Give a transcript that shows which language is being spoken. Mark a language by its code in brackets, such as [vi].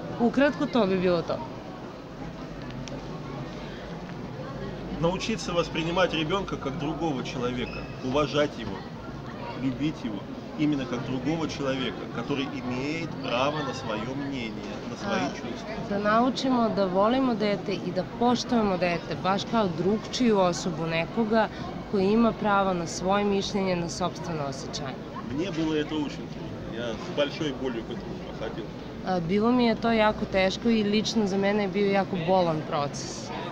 [sr] Ukratko to bi bilo to. [ru] Научиться воспринимать ребенка как другого человека, уважать его, любить его. Именно как другого человека, который имеет право на свое мнение, на свои чувства. [sr] Да научимо да волимо дете и да поштовамо дете, баш као другчију особу некога, који има право на своје мишљење, на собствено осећање. [ru] Мне было это очень трудно. Я с большой болью к этому проходил. [sr] Било ми је то јако тешко и лично за мене је био јако болан процес.